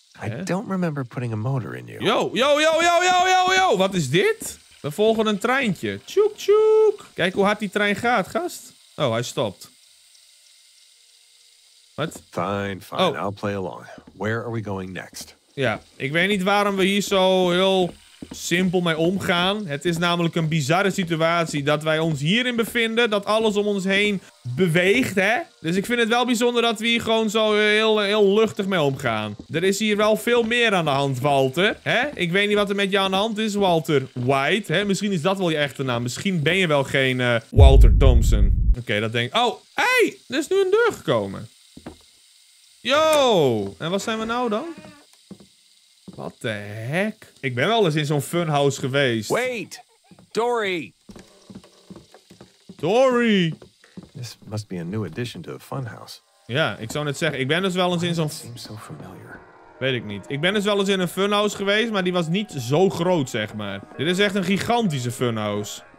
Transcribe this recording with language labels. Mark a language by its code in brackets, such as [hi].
[en] I don't remember putting a motor in you. [nl] Yo! Wat is dit? We volgen een treintje. Tjoek, tjoek. Kijk hoe hard die trein gaat, gast. Oh, hij stopt. Wat? [en] Fine, fine. Oh. I'll play along. Where are we going next? [nl] Ja, ik weet niet waarom we hier zo heel simpel mee omgaan. Het is namelijk een bizarre situatie dat wij ons hierin bevinden. Dat alles om ons heen beweegt, hè? Dus ik vind het wel bijzonder dat we hier gewoon zo heel, heel luchtig mee omgaan. Er is hier wel veel meer aan de hand, Walter. Hè? Ik weet niet wat er met jou aan de hand is, Walter White. Hè? Misschien is dat wel je echte naam. Misschien ben je wel geen Walter Thompson. Oké, dat denk ik. Oh, hé! Hey! Er is nu een deur gekomen. Yo! En wat zijn we nou dan? Wat de heck? Ik ben wel eens in zo'n funhouse geweest. [en] Wait! Dory! Dory! This must be a new addition to the funhouse. [nl] Ja, ik zou net zeggen, ik ben dus wel eens in zo'n... [en] Why does it seem so familiar? [nl] Weet ik niet. Ik ben dus wel eens in een funhouse geweest, maar die was niet zo groot, zeg maar. Dit is echt een gigantische funhouse.